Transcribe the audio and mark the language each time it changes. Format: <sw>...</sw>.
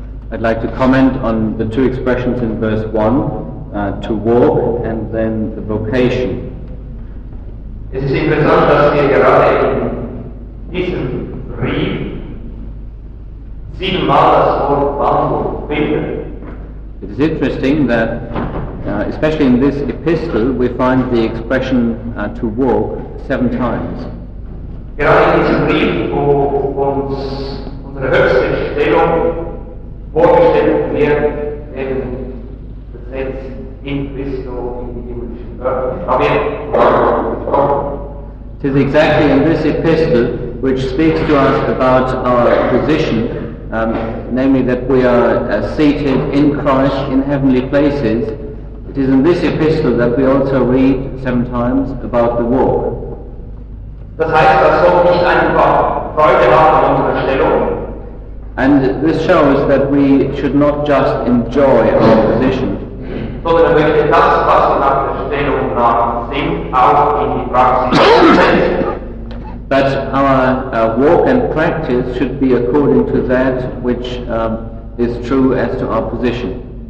<en>the two expressions in verse 1, to walk, and then the vocation.</en> <de>Es ist interessant, dass wir gerade in diesem Brief siebenmal das Wort Wandel finden.</de> <en>It is interesting that, especially in this epistle, we find the expression to walk seven times.</en> <de>Gerade in diesem Brief, wo uns unsere höchste Stellung vorgestellt wird,</de> <en>it is exactly in this epistle which speaks to us about our position, namely that we are seated in Christ in heavenly places. It is in this epistle that we also read sometimes about the walk.</en> <de>Das heißt, dass wir nicht einfach Freude haben in unserer Stellung.</de> <en>And this shows that we should not just enjoy our position, but our walk and practice should be according to that which is true as to our position.</en>